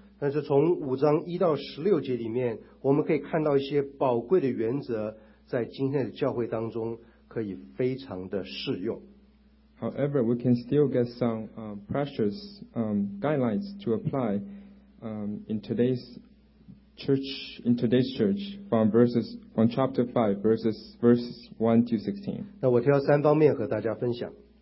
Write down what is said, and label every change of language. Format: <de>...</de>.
<zh>但是从五章一到十六节里面，我们可以看到一些宝贵的原则，在今天的教会当中可以非常的适用。</zh> <en>However, we can still get some precious guidelines to apply in today's church from chapter 5 verses 1 to 16.</en> <zh>那我挑三方面和大家分享。</zh>